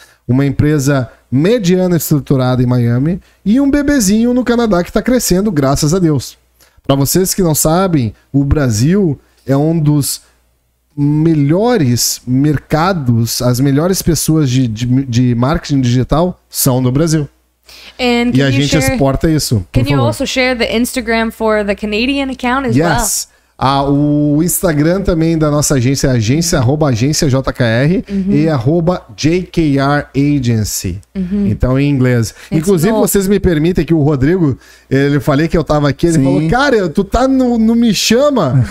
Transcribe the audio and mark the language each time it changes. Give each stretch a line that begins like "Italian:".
Portuguese: Uma empresa mediana estruturada em Miami. E um bebezinho no Canadá que está crescendo, graças a Deus. Para vocês que não sabem, o Brasil é um dos melhores mercados, as melhores pessoas de marketing digital são no Brasil.
English: And
Portuguese: e a gente exporta isso.
English: Can you also share the Instagram for the Canadian account as well? Yes.
Portuguese: O Instagram também da nossa agência é agência@agenciajkr e @jkragency. Então em inglês.
English: It's inclusive,
Portuguese: vocês me permitem que o Rodrigo, ele falei que eu tava aqui, ele falou: cara, tu tá no Me Chama?